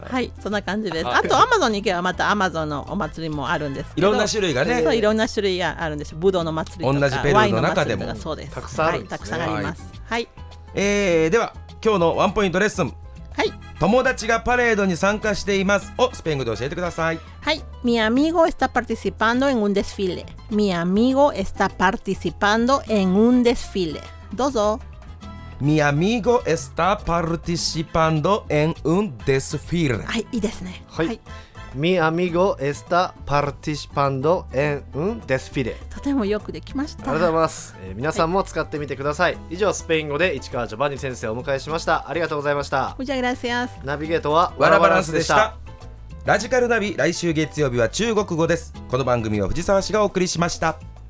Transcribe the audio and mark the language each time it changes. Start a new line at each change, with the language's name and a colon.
Japanese: はい、そんな感じです。あとアマゾンに行けば、またアマゾンのお祭りもあるんですけど、いろんな種類がね。そう、いろんな種類があるんです。ブドウの祭りとか、同じペルーの中でもそうです、たくさんあるんですね。はい、たくさんあります。はい、はい、では今日のワンポイントレッスン。はい、友達がパレードに参加していますをスペイン語で教えてください。はい、
Spanish: mi amigo está participando en un desfile. Mi amigo está participando en un desfile.
Japanese: どうぞ。
Spanish: Mi amigo está participando en un desfile.
Japanese: はい、いいですね。はい、はい、
Spanish: Mi amigo está participando en un desfile.
Japanese: とてもよくできました。ありがとうございます。皆さんも使ってみてください。はい、以上、スペイン語で市川ジョバンニ先生をお迎えしました。ありがとうございました。
Spanish: Muchas gracias.
Japanese: ナビゲートはワラバランスでした。ラジカルナビ、来週月曜日は中国語です。この番組は藤沢氏がお送りしました。